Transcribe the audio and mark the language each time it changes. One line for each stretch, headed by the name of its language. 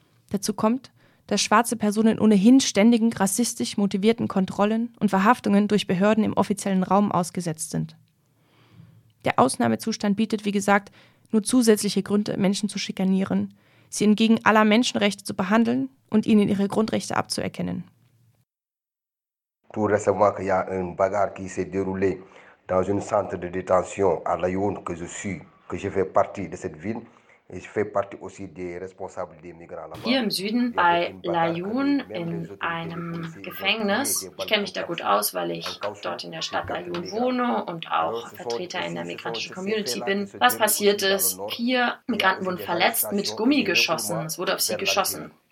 German: Dazu kommt, dass schwarze Personen ohnehin ständigen, rassistisch motivierten Kontrollen und Verhaftungen durch Behörden im offiziellen Raum ausgesetzt sind. Der Ausnahmezustand bietet, wie gesagt, nur zusätzliche Gründe, Menschen zu schikanieren, sie entgegen aller Menschenrechte zu behandeln und ihnen ihre Grundrechte abzuerkennen.
French: Tout récemment, il y a un bagarre qui s'est déroulé dans un centre de détention à Laayoune que je suis, que je fais partie de cette ville.
German: Hier im Süden bei Laayoune in einem Gefängnis, ich kenne mich da gut aus, weil ich dort in der Stadt Laayoune wohne und auch Vertreter in der migrantischen Community bin. Was passiert ist? Vier Migranten wurden verletzt mit Gummi geschossen. Es wurde auf sie geschossen.